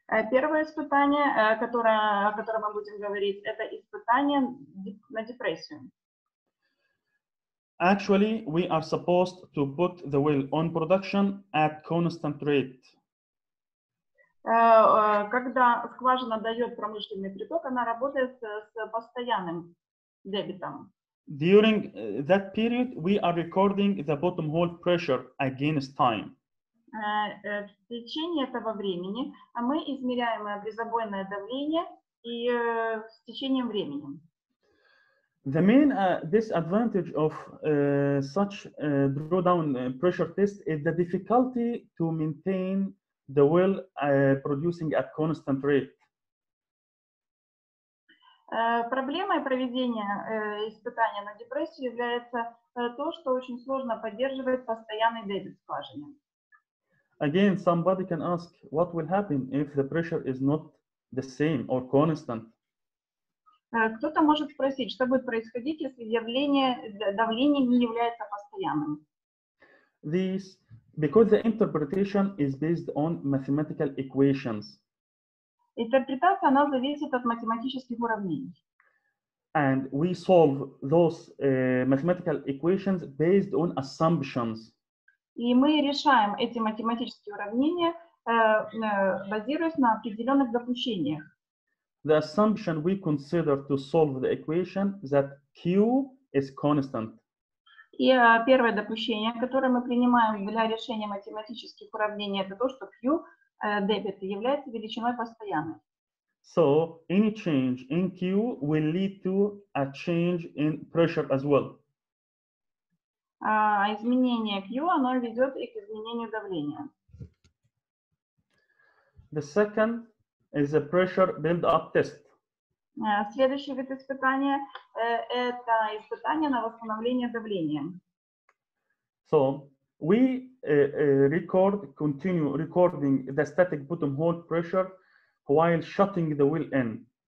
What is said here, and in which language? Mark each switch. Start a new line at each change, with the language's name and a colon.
Russian: Первое испытание, которое, о котором мы будем говорить, это испытание на депрессию.
English: Actually, we are supposed to put the well on production at constant rate.
Russian: Когда скважина дает промышленный приток, она работает с постоянным дебитом.
English: During that period, we are recording the bottom hole pressure against time.
Russian: В течение этого времени мы измеряем призабойное давление и с течением времени.
English: The main disadvantage of such drawdown pressure test is the difficulty to maintain the well producing at constant rate.
Russian: Проблемой проведения испытания на депрессию является то, что очень сложно поддерживать постоянный дебит скважины.
English: Again, somebody can ask, what will happen if the pressure is not the same or constant?
Russian: Кто-то может спросить, что будет происходить, если явление давление не является постоянным?
English: This, because the interpretation is based on mathematical equations.
Russian: Интерпретация, она зависит от математических уравнений.
English: And we solve those mathematical equations based on assumptions.
Russian: И мы решаем эти математические уравнения, базируясь на определенных допущениях.
English: The assumption we consider to solve the equation that Q is constant.
Russian: И первое допущение, которое мы принимаем для решения математических уравнений, это то, что Q дебит является величиной постоянной.
English: So any change in Q will lead to a change in pressure as well.
Russian: Изменение Q, оно ведет и к изменению давления.
English: The second is a pressure build-up test.
Russian: Следующий вид испытания – это испытание на восстановление давления.
English: So, we continue recording the static bottom hold pressure while shutting the wheel in.